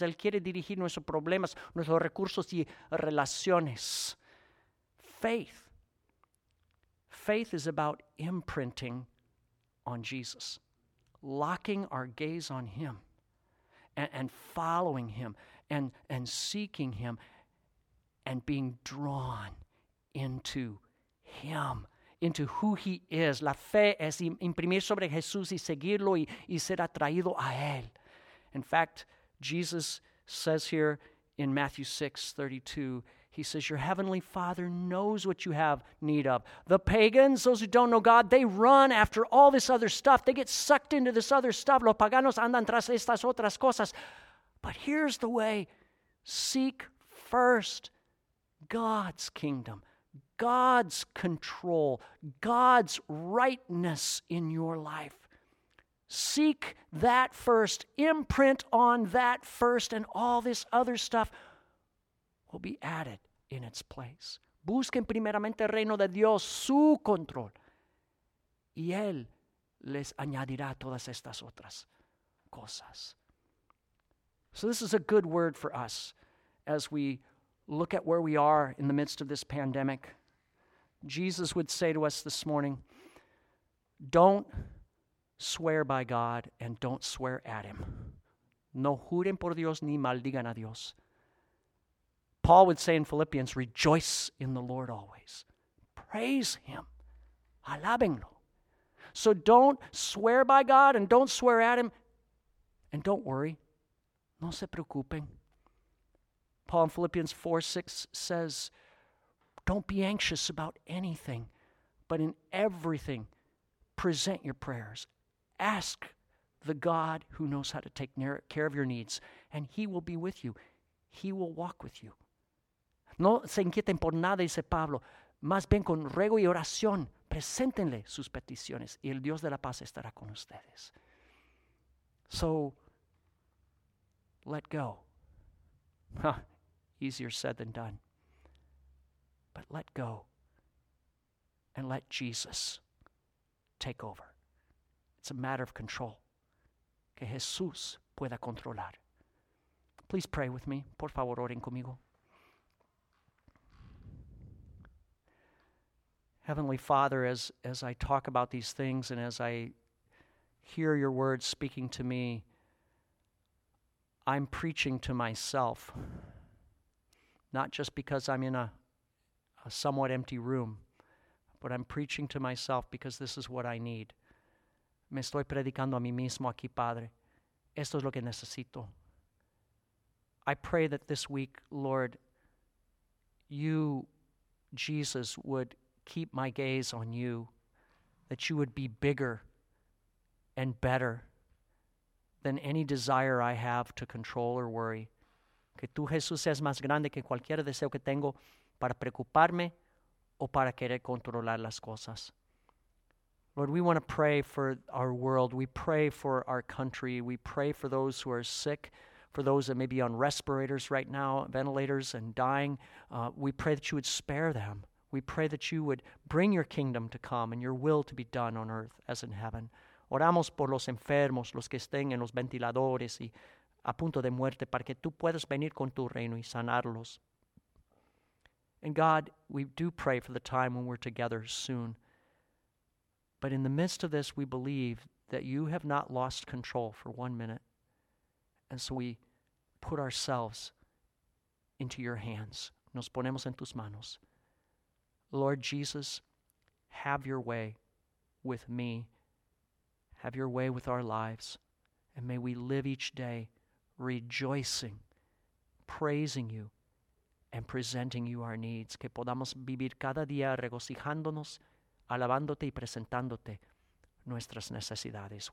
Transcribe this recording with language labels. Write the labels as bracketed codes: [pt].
[es] Él quiere dirigir nuestros problemas, nuestros recursos y relaciones. [en] Faith. Faith is about imprinting on Jesus, locking our gaze on him and following him and seeking him and being drawn into him, into who he is. [es] La fe es imprimir sobre Jesús y seguirlo y ser atraído a él. [en] In fact, Jesus says here in Matthew 6:32, he says, your heavenly Father knows what you have need of. The pagans, those who don't know God, they run after all this other stuff. They get sucked into this other stuff. [es] Los paganos andan tras estas otras cosas. [en] But here's the way. Seek first God's kingdom, God's control, God's rightness in your life. Seek that first. Imprint on that first, and all this other stuff will be added in its place. [es] Busquen primeramente el reino de Dios, su control, y él les añadirá todas estas otras cosas. [en] So this is a good word for us as we look at where we are in the midst of this pandemic. Jesus would say to us this morning, don't swear by God and don't swear at him. [es] No juren por Dios ni maldigan a Dios. [en] Paul would say in Philippians, rejoice in the Lord always. Praise him. [es] Alabenlo. [en] So don't swear by God and don't swear at him. And don't worry. [es] No se preocupen. [en] Paul in Philippians 4:6 says, don't be anxious about anything, but in everything, present your prayers. Ask the God who knows how to take care of your needs, and he will be with you. He will walk with you. [es] No se inquieten por nada, dice Pablo. Más bien con ruego y oración, preséntenle sus peticiones y el Dios de la paz estará con ustedes. [en] So, let go. Easier said than done. But let go and let Jesus take over. It's a matter of control. [es] Que Jesús pueda controlar. [en] Please pray with me. [es] Por favor, oren conmigo. [en] Heavenly Father, as I talk about these things and as I hear your words speaking to me, I'm preaching to myself, not just because I'm in a somewhat empty room, but I'm preaching to myself because this is what I need. [es] Me estoy predicando a mí mismo aquí, Padre. Esto es lo que necesito. [en] I pray that this week, Lord, you, Jesus, would keep my gaze on you, that you would be bigger and better than any desire I have to control or worry. [es] Que tú, Jesús, seas más grande que cualquier deseo que tengo para preocuparme o para querer controlar las cosas. [en] Lord, we want to pray for our world. We pray for our country. We pray for those who are sick, for those that may be on respirators right now, ventilators and dying. We pray that you would spare them. We pray that you would bring your kingdom to come and your will to be done on earth as in heaven. [es] Oramos por los enfermos, los que estén en los ventiladores y a punto de muerte, para que tú puedas venir con tu reino y sanarlos. [en] And God, we do pray for the time when we're together soon. But in the midst of this, we believe that you have not lost control for 1 minute. And so we put ourselves into your hands. [es] Nos ponemos en tus manos. [en] Lord Jesus, have your way with me. Have your way with our lives. And may we live each day rejoicing, praising you, and presenting you our needs. [es] Que podamos vivir cada día regocijándonos, alabándote y presentándote nuestras necesidades.